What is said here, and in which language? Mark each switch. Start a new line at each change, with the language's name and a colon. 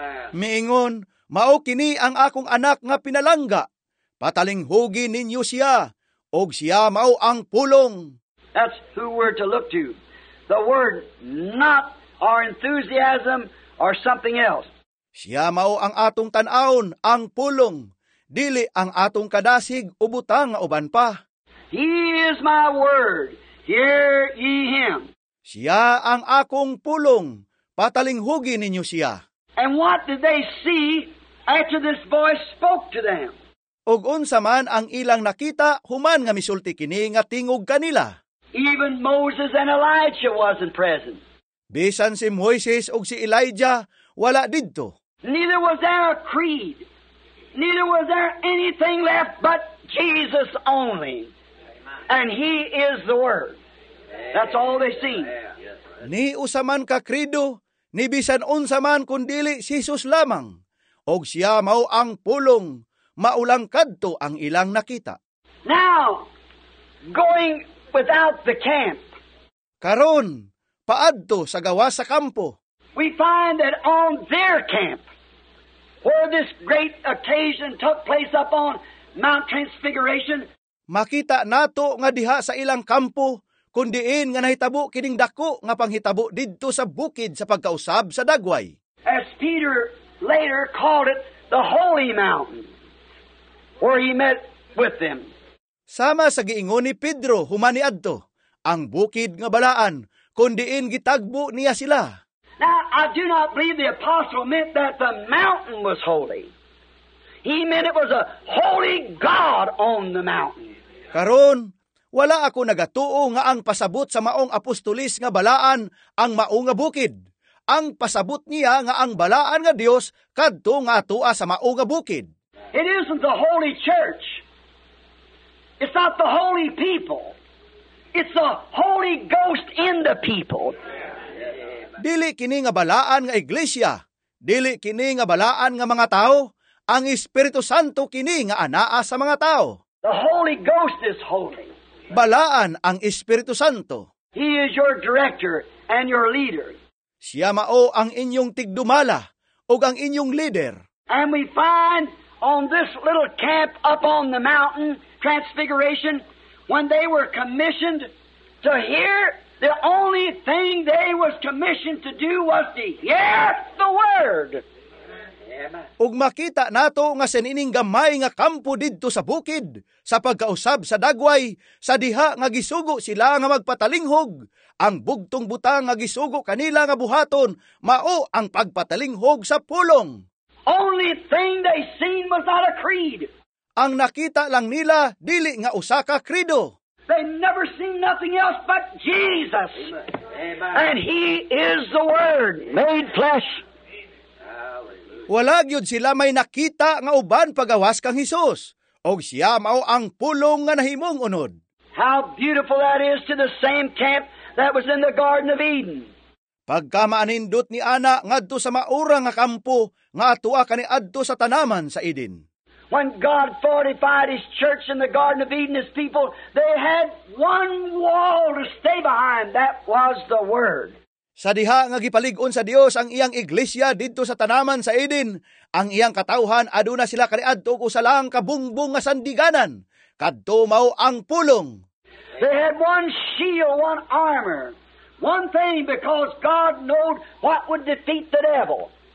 Cebuano: Miingon, mao kini ang akong anak nga pinalangga. Patalinghugi ninyo siya, og siya mao ang pulong.
English: That's who we're to look to. The Word, not our enthusiasm or something else.
Cebuano: Siya mao ang atong tan-aon, ang pulong. Dili ang atong kadasig o butang uban pa.
English: He is my Word. Hear ye him.
Cebuano: Siya ang akong pulong. Patalinghugi ninyo siya.
English: And what did they see after this voice spoke to them?
Cebuano: Og unsa man ang ilang nakita human nga misulti kini nga tingog kanila.
English: Even Moses and Elijah wasn't present.
Cebuano: Bisan si Moises og si Elijah wala didto.
English: Neither was there a creed. Neither was there anything left but Jesus only. And he is the Word. That's all they see.
Cebuano: Ni usa man ka kredo, ni bisan unsa man kundili si Jesus lamang. Og siya mao ang pulong, maulang kadto ang ilang nakita.
English: Now, going without the camp.
Cebuano: Karon, paadto sa gawa sa kampo.
English: We find that on their camp, where this great occasion took place up on Mount Transfiguration.
Cebuano: Makita nato nga diha sa ilang kampo, kundiin nga nahitabo kining dako nga panghitabo didto sa bukid sa pagkausab sa dagway.
English: As Peter later called it, the Holy Mountain, where he met with them.
Cebuano: Sama sa giingon ni Pedro humani adto, ang bukid nga balaan, kundiin gitagbo niya sila.
English: Now, I do not believe the apostle meant that the mountain was holy. He meant it was a holy God on the mountain.
Cebuano: Karon, wala ako nagatuo nga ang pasabot sa maong apostolis nga balaan ang maong nga bukid. Ang pasabot niya nga ang balaan nga Dios kadto nga tua sa maong nga bukid.
English: It isn't the holy church. It's not the holy people. It's the Holy Ghost in the people.
Cebuano: Dili kini nga balaan nga iglesia, dili kini nga balaan nga mga tao, ang Espiritu Santo kini nga anaa sa mga tao.
English: The Holy Ghost is holy.
Cebuano: Balaan ang Espiritu Santo.
English: He is your director and your leader.
Cebuano: Siya mao ang inyong tigdumala o ang inyong leader.
English: And we find on this little camp up on the mountain, Transfiguration, when they were commissioned to hear, the only thing they was commissioned to do was to hear the Word.
Cebuano: Ug makita nato nga sinining gamay nga kampo didto sa bukid sa pagkausab sa dagway sa diha nga gisugo sila nga magpatalinghog. Ang bugtong butang nga gisugo kanila nga buhaton mao ang pagpatalinghog sa pulong.
English: Only thing they seen was not a creed.
Cebuano: Ang nakita lang nila dili nga usa ka kredo.
English: They never seen nothing else but Jesus. Amen. And he is the Word made flesh.
Cebuano: Wala gyud sila may nakita nga uban pagawas kang Hesus, og siya mao ang pulong nga nahimong unod.
English: How beautiful that is to the same camp that was in the Garden of Eden.
Cebuano: Pagka maanindot ni Ana ngadto sa maura nga kampo nga atua kani adto sa tanaman sa Eden.
English: When God fortified His church in the Garden of Eden, His people, they had one wall to stay behind. That was the Word.
Cebuano: Sa diha nga gipalig-on sa Dios ang iyang iglesia dito sa tanaman sa Eden, ang iyang katauhan aduna sila kaniadto og usa lang kabungbong nga sandiganan, kadto mao ang pulong.
English: They had one shield, one armor, one thing because God knowed what would defeat the devil.